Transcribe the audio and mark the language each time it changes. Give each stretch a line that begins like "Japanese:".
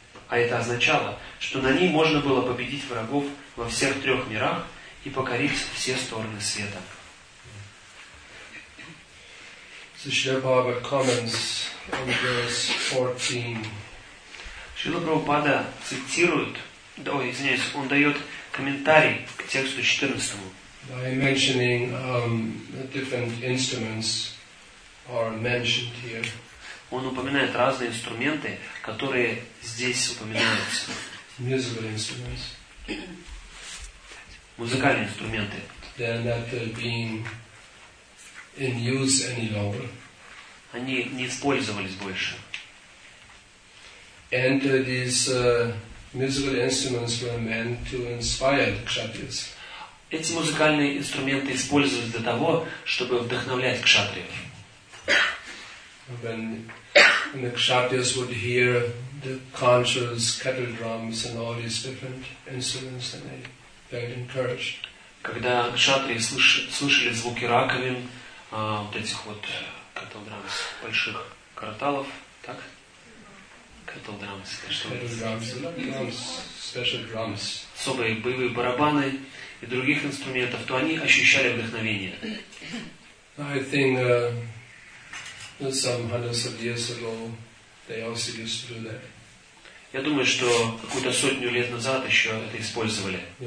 Russian: А это означало, что на ней можно было победить врагов во всех трех мирах и покорить все стороны света.
English: Srila Prabhupada comments on verse 14.
Russian: Srila Prabhupada цитирует, извиняюсь, он дает комментарий к тексту 14.
English: By mentioning different instruments are mentioned here.
Russian: Он упоминает разные инструменты, которые здесь упоминаются.
English: Musical instruments.
Russian: Музыкальные инструменты.
English: They're not being in use any longer.
Russian: Они не использовались больше.
English: And these musical instruments were meant to inspire the kshatriyas.
Russian: Эти музыкальные инструменты использовались для того, чтобы вдохновлять кшатриев.
English: When the kshatriyas would hear the conchas, kettle drums, and all these different instruments, then they felt encouraged.
Russian: Когда кшатрии слышали звуки раковин, вот этих вот
English: kettle drums,
Russian: больших караталов, так?
English: Kettle drums, special drums.
Russian: Особые боевые барабаны и других инструментов, то они ощущали вдохновение.
English: I think some hundreds of years ago they also used to do that.
Russian: Я думаю, что какую-то сотню лет назад еще это использовали.